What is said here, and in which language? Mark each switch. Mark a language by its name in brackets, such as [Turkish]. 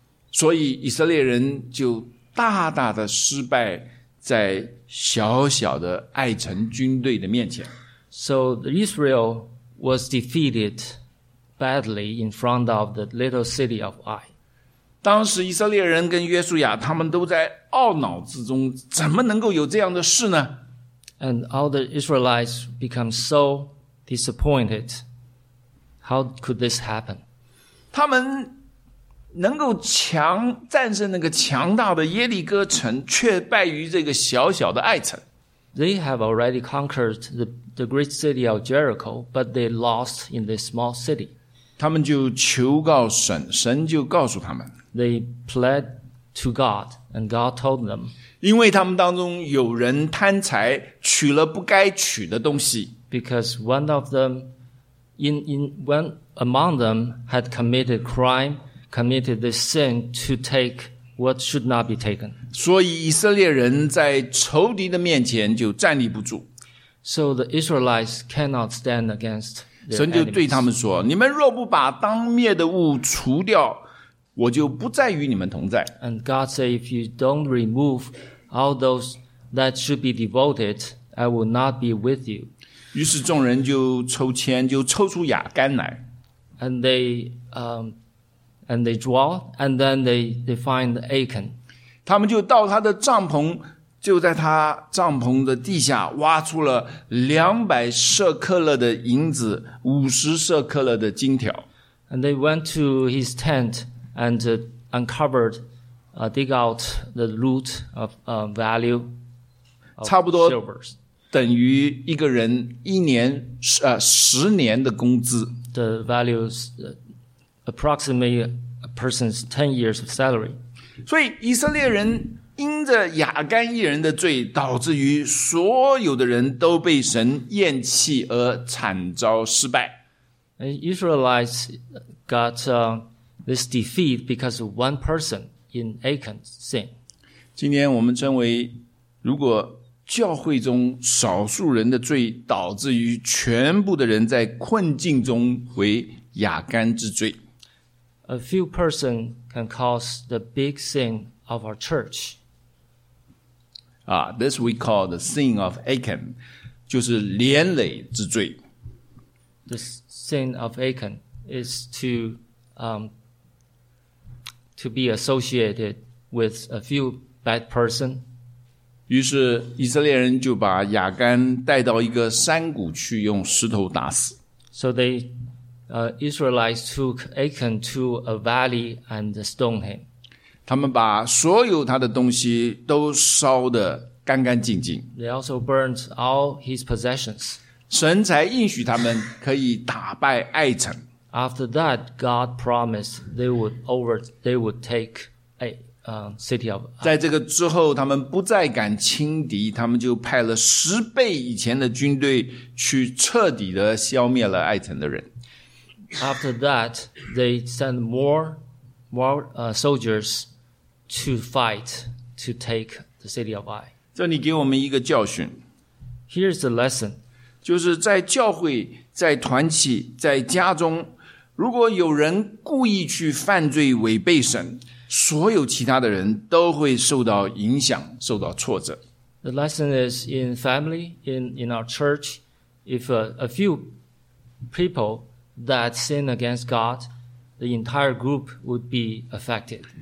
[Chinese] 所以以色列人就大大的失败在小小的爱城军队的面前。 [English] So Israel was defeated badly in front of the little city of Ai. [Chinese] 当时以色列人跟约书亚他们都在懊恼之中，怎么能够有这样的事呢？ [English] And all the Israelites become so disappointed. How could this happen? [Chinese] 他们能够强战胜那个强大的耶利哥城，却败于这个小小的爱城。 [English] They have already conquered the great city of Jericho, but they lost in this small city. [Chinese] 他们就求告神，神就告诉他们。 [English] They pled to God, and God told them. [Chinese] 因为他们当中有人贪财，取了不该取的东西。 [English] Because one of them, one among them had committed crime, committed this sin to take what should not be taken. [Chinese] 所以以色列人在仇敌的面前就站立不住。 [English] So the Israelites cannot stand against their enemies. [Chinese] 神就对他们说，你们若不把当灭的物除掉，我就不再与你们同在。 [English] And God said, if you don't remove all those that should be devoted, I will not be with you. [Chinese] 于是众人就抽签，就抽出雅干来。 [English] And they draw, and then they find Achan. [Chinese] 他们就到他的帐篷，就在他帐篷的地下挖出了200舍客勒的银子，50舍客勒的金条。 [English] And they went to his tent. And uncovered, dig out the loot of value. [Chinese] 差不多等于一个人一年十年的工资。 [English] The value is approximately a person's 10 years of salary. [Chinese] 所以以色列人因着亚干一人的罪，导致于所有的人都被神厌弃而惨遭失败。 [English] Israelites got. This defeat because of one person in Achan's sin. [Chinese] 今天我们称为，如果教会中少数人的罪导致于全部的人在困境中，为亚干之罪。 [English] A few person can cause the big sin of our church. This we call the sin of Achan, [Chinese] 就是连累之罪。 [English] The sin of Achan is to be associated with a few bad person. [Chinese] 于是以色列人就把亚干带到一个山谷去，用石头打死。 [English] So they, Israelites took Achan to a valley and stoned him. [Chinese] 他们把所有他的东西都烧得干干净净。 [English] They also burned all his possessions. [Chinese] 神才应许他们可以打败爱城。 [English] After that, God promised they would take a city of. [Chinese] 在这个之后，他们不再敢轻敌，他们就派了十倍以前的军队去彻底的消灭了爱城的人。 [English] After that, they sent more soldiers to fight to take the city of Ai. [Chinese] 这里给我们一个教训。 [English] Here's the lesson. [Chinese] 就是在教会、在团契、在家中。如果有人故意去犯罪违背神，所有其他的人都会受到影响，受到挫折。 [English] The lesson is in family, in our church, if a few people that sin against God, the entire group would be affected.